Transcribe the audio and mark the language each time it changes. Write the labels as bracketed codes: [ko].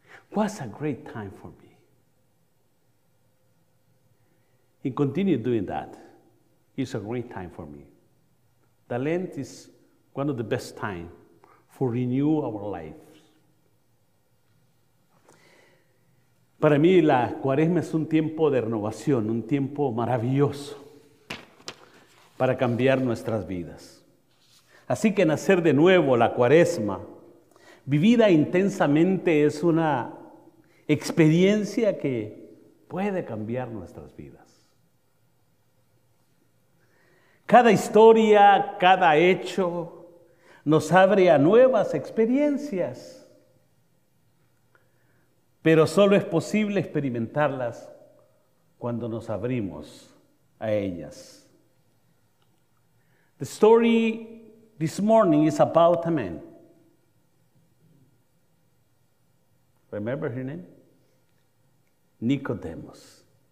[en] What a great time for me. And continue doing that. It's a great time for me. The Lent is one of the best times for renew our lives. [es] Para mí, la cuaresma es un tiempo de renovación, un tiempo maravilloso para cambiar nuestras vidas. Así que nacer de nuevo, la cuaresma, vivida intensamente, es una experiencia que puede cambiar nuestras vidas. Cada historia, cada hecho, nos abre a nuevas experiencias. Pero solo es posible experimentarlas cuando nos abrimos a ellas. [en] The story this morning is about a man. Remember his name? Nicodemus.